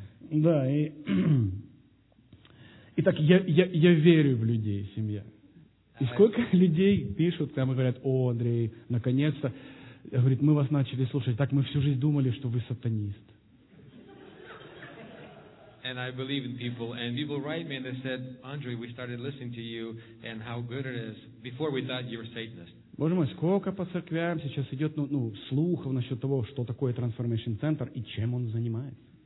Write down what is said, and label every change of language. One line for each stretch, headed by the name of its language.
Russian: Да, и итак, я верю в людей, семья. И сколько людей пишут, там говорят, о, Андрей, наконец-то. Говорит, мы вас начали слушать. Так мы всю жизнь думали, что вы сатанист.
English: And I believe in people. And people write me and they said, Andre, we started listening to you and how good it is. Before we thought you were Satanist.
Russian: Боже мой, сколько по церквям сейчас идет слухов насчет того, что такое Transformation Center и чем он занимается.